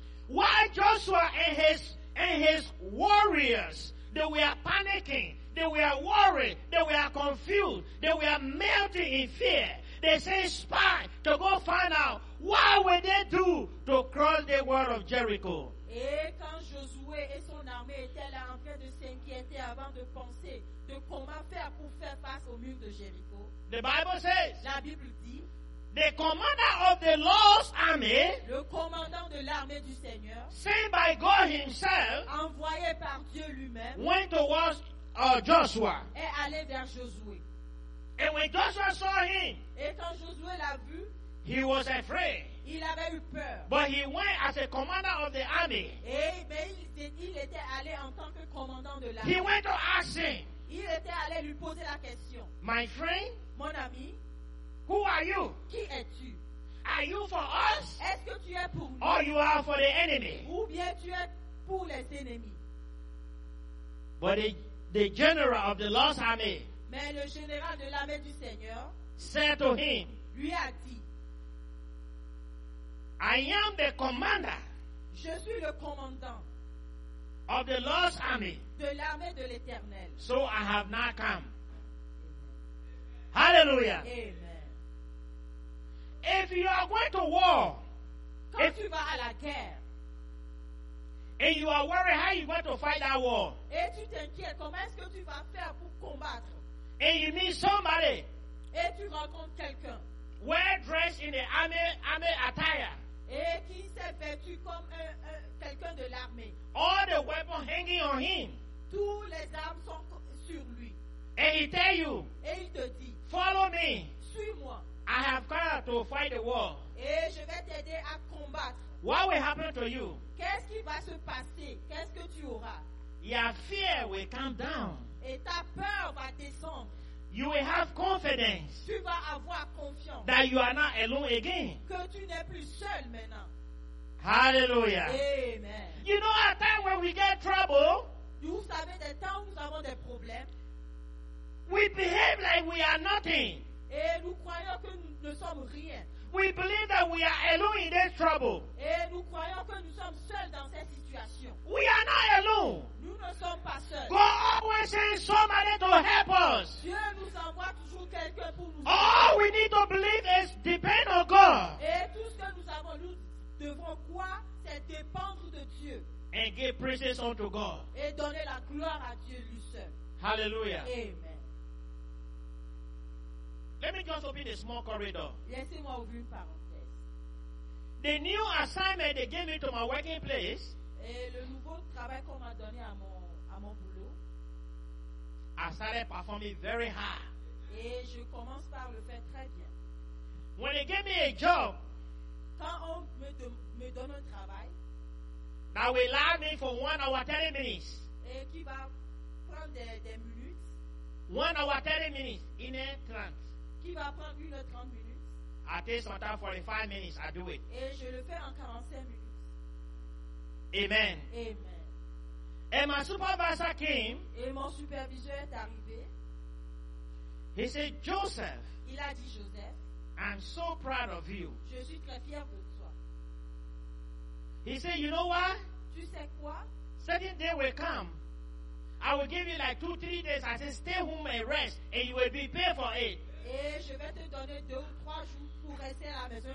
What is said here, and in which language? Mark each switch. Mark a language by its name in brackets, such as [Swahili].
[English] why Joshua and his warriors, they were panicking. They were worried. They were confused. They were melting in fear. They say spy to go find out what will they do to cross the wall of Jericho. [French] Et quand Josué et son armée étaient là en train de s'inquiéter avant de penser de comment faire pour faire face au mur de Jericho. [English] The Bible says, [French] la Bible dit, [English] The commander of the Lord's army, [French] le commandant de l'armée du Seigneur, [English] sent by God himself, [French] envoyé par Dieu lui-même, [English] went towards Joshua. [French] Est allé vers Josué. [English] And when Joshua saw him, [French] et quand Josué l'a vu, [English] he was afraid. [French] Il avait eu peur. [English] But he went as a commander of the army. [French] Il était allé en tant que commandant de l'armée. [English] He went to ask him, [French] il était allé lui poser la question. [English] My friend, [French] mon ami, [English] who are you? [French] Qui es-tu? [English] Are you for us? [French] Est-ce que tu es pour nous? [English] Or you are for the enemy? [French] Ou bien tu es pour les ennemis? [English] But the general of the Lord's army, [French] mais le général de l'armée du Seigneur, [English] said to him, [French] lui a dit, [English] I am the commander. [French] Je suis le commandant [English] of the Lord's army. [French] De l'armée de l'Éternel. [English] So I have not come. Hallelujah. Amen. If you are going to war, [French] quand tu vas à la guerre, [English] and you are worried how you going to fight that war, [French] et tu t'inquiètes comment est-ce que tu vas faire pour combattre, [English] and you meet somebody, [French] et tu rencontres quelqu'un, [English] well dressed in the army attire, [French] et qui s'est vêtu comme quelqu'un de l'armée, [English] all the weapons hanging on him, [French] tous les armes sont sur lui, [English] and he tell you, [French] et il te dit, [English] follow me, [French] suis-moi, [English] I have come to fight the war, [French] et je vais t'aider à combattre. [English] What will happen to you? [French] Qu'est-ce qui va se passer? Qu'est-ce que tu auras? [English] Your fear will come down, [French] et ta peur va descendre. [English] You will have confidence, [French] tu vas avoir confiance, [English] that you are not alone again, [French] que tu n'es plus seul maintenant. Hallelujah. Amen. [English] You know, at times when we get trouble, [French] vous savez, des temps où nous avons des problèmes, [English] we behave like we are nothing, [French] et nous croyons que nous ne sommes rien. [English] We believe that we are alone in this trouble, [French] et nous croyons que nous sommes seuls dans cette situation. [English] We are not alone. [French] Nous ne sommes pas seuls. [English] God always sends somebody to help us. [French] Dieu nous envoie toujours quelqu'un pour nous. [English] All we need to believe is depend on God. [French] Et tout ce que nous avons, nous devons croire, c'est dépendre de Dieu. [English] And give praises unto God. [French] Et donner la gloire à Dieu lui seul. Hallelujah. Amen. [English] Let me just open a small corridor. [French] Laissez-moi ouvrir une parenthèse. [English] The new assignment they gave me to my working place, [French] et le nouveau travail qu'on m'a donné à mon boulot, [English] I started performing very hard. [French] Et je commence par le faire très bien. [English] When they gave me a job, [French] quand on me donne un travail, [English] that will last me for 1 hour 30 minutes, [French] et qui va prendre des minutes, [English] 1 hour 30 minutes, in a 30. [French] Qui va prendre 1h30 minutes, [English] at this time 45 minutes, I do it. [French] Et je le fais en 45 minutes. Amen. Amen. [English] And my supervisor came. [French] Et mon superviseur est arrivé. [English] He said, Joseph, [French] il a dit, Joseph, [English] I'm so proud of you. [French] Je suis très fier de toi. [English] He said, you know what? [French] Tu sais quoi? [English] Certain day will come, I will give you like 2-3 days. I said, stay home and rest, and you will be paid for it. [French] Et je vais te donner 2 ou 3 jours pour rester à la maison.